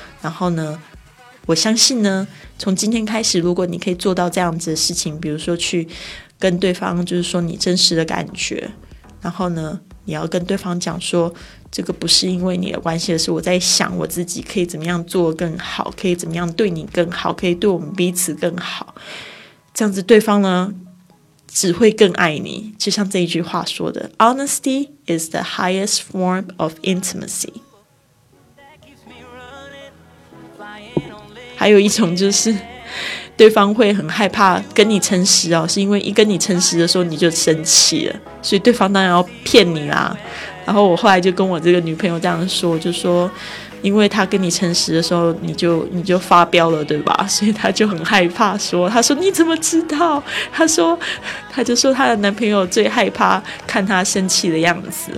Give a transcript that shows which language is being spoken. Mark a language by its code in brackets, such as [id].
[zh] 然后呢我相信呢，从今天开始，如果你可以做到这样子的事情，比如说去跟对方就是说你真实的感觉，然后呢你要跟对方讲说这个不是因为你的关系，而是我在想我自己可以怎么样做更好，可以怎么样对你更好，可以对我们彼此更好，这样子对方呢只会更爱你，就像这一句话说的 [en] Honesty is the highest form of intimacy。 [zh] 还有一种就是对方会很害怕跟你诚实哦，是因为一跟你诚实的时候你就生气了，所以对方当然要骗你啦。然后我后来就跟我这个女朋友这样说，就说因为他跟你诚实的时候你就发飙了对吧，所以他就很害怕，说他说你怎么知道，他说他就说他的男朋友最害怕看他生气的样子。